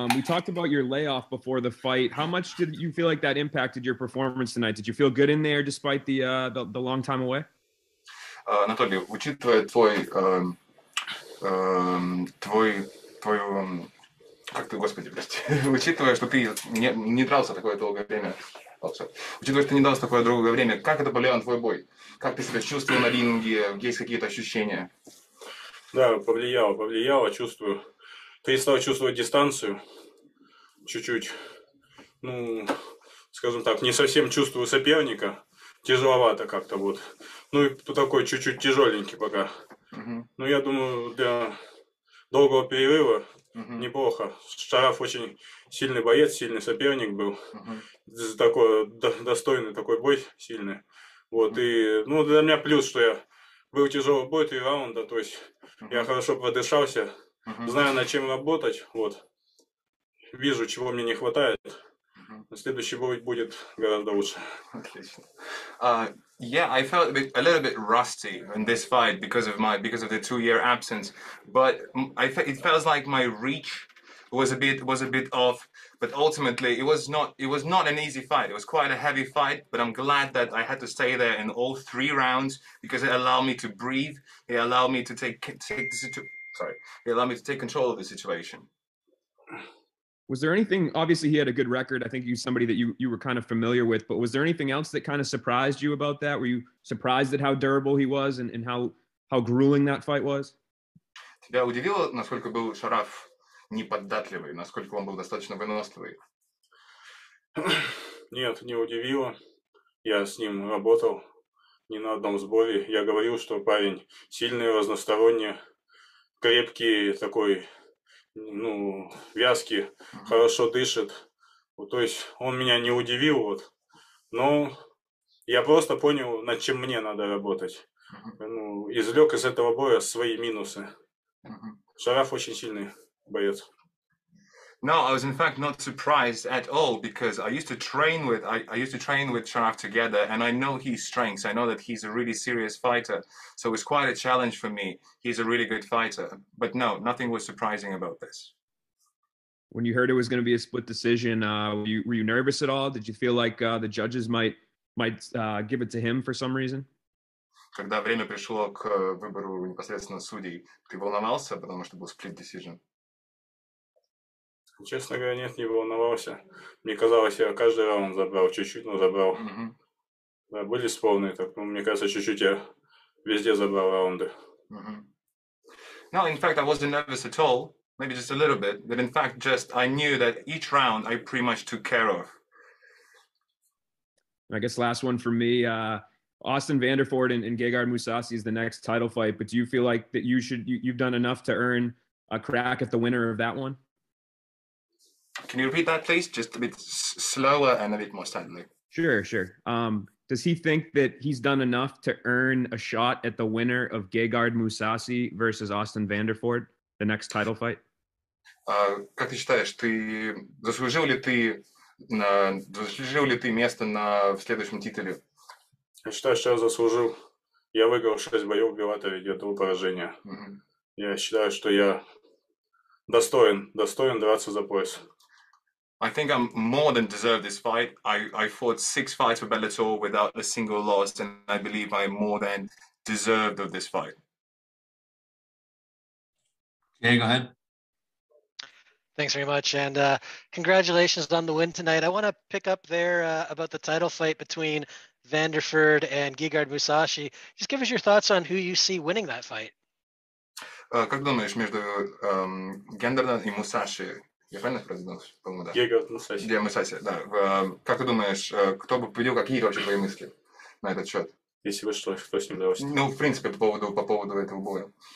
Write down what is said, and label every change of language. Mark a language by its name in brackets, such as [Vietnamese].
[English] We talked about your layoff before the fight. How much did you feel like that impacted your performance tonight? Did you feel good in there despite the long time away? [Russian] Анатолий, учитывая учитывая, что ты не дрался такое долгое время, учитывая, что ты не дрался такое долгое время, как это повлияло на твой бой? Как ты себя чувствовал на ринге? Есть какие-то ощущения? Да, повлияло, чувствую. Перестал чувствовать дистанцию чуть-чуть. Ну, скажем так, не совсем чувствую соперника. Тяжеловато как-то вот. Ну, и такой чуть-чуть тяжеленький пока. Ну, я думаю, для долгого перерыва неплохо. Шараф очень сильный боец, сильный соперник был. Такой достойный такой бой сильный. Вот, и, ну, для меня плюс, что я был тяжелый бой, 3 раунда, то есть я хорошо продышался, знаю, над чем работать, вот. Вижу, чего мне не хватает. Следующий бой будет гораздо лучше. Отлично. [English] Yeah, I felt a little bit rusty in this fight because of the 2-year absence. But it felt like my reach was a bit off. But ultimately, it was not an easy fight. It was quite a heavy fight. But I'm glad that I had to stay there in all 3 rounds because it allowed me to breathe. It allowed me to take control of the situation. Was there anything, obviously he had a good record, I think he's somebody that you were kind of familiar with, but was there anything else that kind of surprised you about that? Were you surprised at how durable he was and how grueling that fight was? [Russian] Тебя удивило, насколько был Шараф неподатливый, насколько он был достаточно выносливый? Нет, не удивило. Я с ним работал не на одном сборе. Я говорил, что парень сильный, разносторонний, крепкий такой... Ну, вязки, хорошо дышит. Вот, то есть он меня не удивил, вот. Но я просто понял, над чем мне надо работать. Ну, извлек из этого боя свои минусы. Шараф очень сильный боец. [English] No, I was in fact not surprised at all because I used to train with Sharaf together, and I know his strengths. I know that he's a really serious fighter, so it was quite a challenge for me. He's a really good fighter, but no, nothing was surprising about this. When you heard it was going to be a split decision, were you nervous at all? Did you feel like the judges might give it to him for some reason? [Russian] Когда время пришло к выбору непосредственно судей, ты волновался, потому что был split decision? Честно говоря, нет, не волновался. Мне казалось, я каждый раунд забрал, чуть-чуть, но забрал. Mm-hmm. Да, были полные, так, ну, мне кажется, чуть-чуть я везде забрал раунды. Mm-hmm. [English] No, in fact, I wasn't nervous at all, maybe just a little bit, but in fact, just I knew that each round I pretty much took care of. I guess last one for me, Austin Vanderford and Gegard Mousasi is the next title fight, but do you feel like that you've done enough to earn a crack at the winner of that one? Can you repeat that, please? Just a bit slower and a bit more steadily. Sure. Does he think that he's done enough to earn a shot at the winner of Gegard Mousasi versus Austin Vanderford, the next title fight? [Russian] Как ты считаешь, ты заслужил ли ты место на в следующем титуле? Я считаю, что я заслужил. Я выиграл 6 боев в Беллаторе, я до поражения. Я считаю, что я достоин драться за пояс. [English] I think I'm more than deserve this fight. I fought 6 fights for Bellator without a single loss, and I believe I'm more than deserved of this fight. Okay, go ahead. Thanks very much, and congratulations on the win tonight. I want to pick up there about the title fight between Vanderford and Gegard Mousasi. Just give us your thoughts on who you see winning that fight. [Russian] Как думаешь, между Гендерном и Мусаши? Я правильно произнес? По-моему, да. Гегард Мусаси, да. Как ты думаешь, кто бы победил, какие вообще твои мысли на этот счет? Если бы что, кто с ним дрался? Ну, в принципе, по поводу этого боя.